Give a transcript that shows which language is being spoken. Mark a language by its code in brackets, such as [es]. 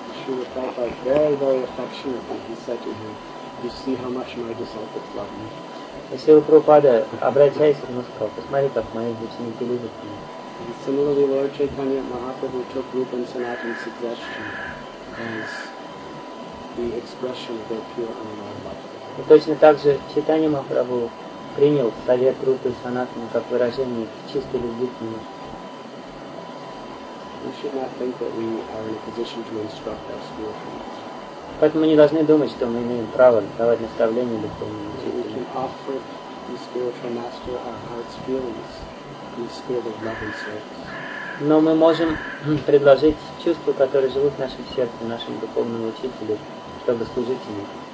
[en] Śrīla Prabhupada very, very affectionately, he said to him, you see how much my disciples love me. [ru] И Śrīla Prabhupada, обращаясь к нему, сказал, посмотри, как мои ученики любят меня. [en] Similarly, Lord Chaitanya Mahāprabhu took Rūpa and Sanātana's suggestion as the expression of their pure unalloyed love. [ru] И точно так же Чайтанья Махапрабху принял совет Рупы и Санатана как выражение чистой любви к нему. [en] We should not think that we are in a position to instruct our spiritual friends. [ru] Поэтому мы не должны думать, что мы имеем право давать наставление духовному учителю. [en] We can offer the spiritual master our heart's feelings in the spirit of love and service. [ru] Но мы можем предложить чувства, которые живут в нашем сердце, нашему духовному учителю, чтобы служить ему.